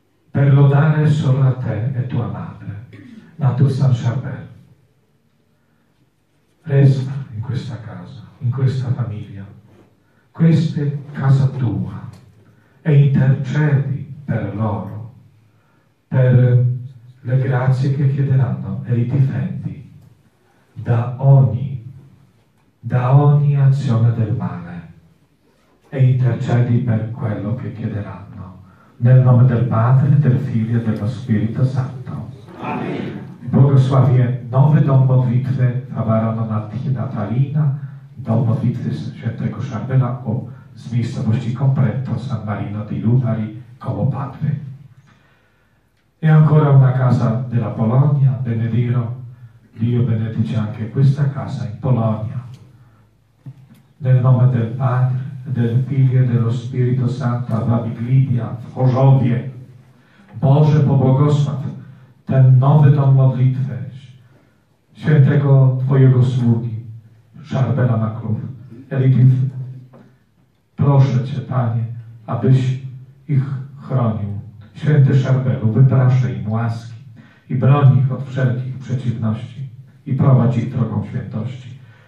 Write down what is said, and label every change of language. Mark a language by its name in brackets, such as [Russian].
[Italian] Per lodare solo a te e tua madre, ma tu San Charbel, resta in questa casa, in questa famiglia, questa è casa tua, e intercedi per loro, per le grazie che chiederanno, e li difendi da ogni azione del male, e intercedi per quello che chiederanno. Nel nome del Padre, del Figlio e dello Spirito Santo. Amen. [Polish] Błogosławię nowy dom modlitwy Favaro Natalina, dom modlitwy świętego Charbela z miejscowości Compreto San Marino di Lupari koło Padwy. [Italian] E ancora una casa della Polonia, benedirò, Dio benedice anche questa casa in Polonia. Nel nome del Padre, del Figlio e dello Spirito Santo a Biglidia, w Chorzowie. [Polish] Boże, pobłogosław ten nowy dom modlitwy świętego Twojego sługi, Charbela Makhlouf. Elitif, proszę Cię, Panie, abyś ich chronił. Święty Charbelu, wypraszaj im łaski i broń ich od wszelkich przeciwności i prowadź ich drogą świętości.